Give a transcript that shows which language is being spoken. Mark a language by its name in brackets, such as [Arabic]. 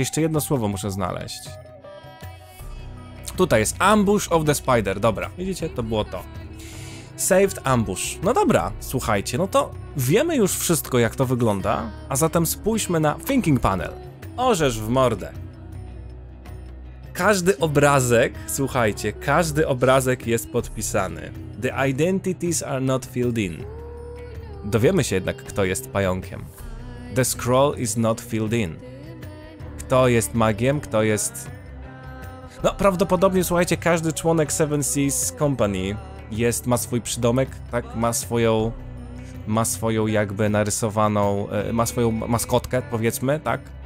[Polish] Jeszcze jedno słowo muszę znaleźć. Tutaj jest Ambush of the Spider. Dobra, widzicie? To było to. Saved Ambush. No dobra, słuchajcie, no to wiemy już wszystko, jak to wygląda. A zatem spójrzmy na Thinking Panel. Orzesz w mordę. Każdy obrazek, słuchajcie, każdy obrazek jest podpisany. [English] The identities are not filled in. [Polish] Dowiemy się jednak, kto jest pająkiem. [English] The scroll is not filled in. [Polish] Kto jest magiem, kto jest... No, prawdopodobnie, słuchajcie, każdy członek Seven Seas Company jest, ma swój przydomek, tak? Ma swoją jakby narysowaną, ma swoją maskotkę, powiedzmy, tak?